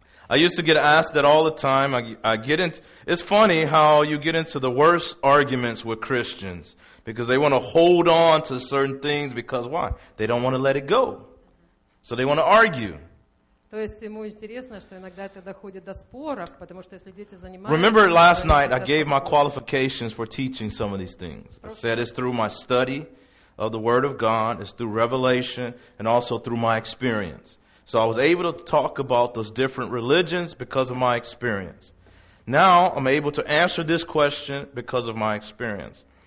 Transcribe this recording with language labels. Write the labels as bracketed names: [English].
[English] I used to get asked that all the time. It's funny how you get into the worst arguments with Christians because they want to hold on to certain things because why? They don't want to let it go. So they want to argue. [Russian] То есть ему интересно, что иногда это доходит до споров, потому что если дети занимаются... [English] Remember last night I gave my qualifications for teaching some of these things. I said it's through my study of the Word of God, it's through revelation, and also through my experience. So I was able to talk about those different religions because of my experience. Now I'm able to answer this question because of my experience.